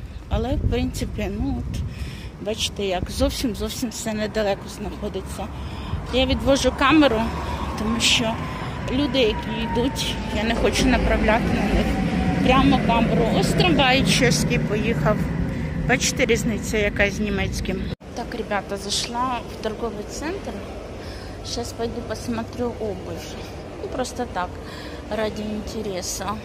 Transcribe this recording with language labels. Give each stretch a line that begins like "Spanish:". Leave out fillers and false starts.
Ukrainian: Але, в принципі, ну, от, бачите, як зовсім-зовсім все недалеко знаходиться. Я відвожу камеру, тому що люди, які йдуть, я не хочу направляти на них прямо камеру. Ось трамвай чеський поїхав. Бачите, різниця яка з німецьким. Так, ребята, зайшла в торговий центр.
Russian: Зараз пойду посмотрю обувь.
Ukrainian: Ну, просто так, ради інтересу.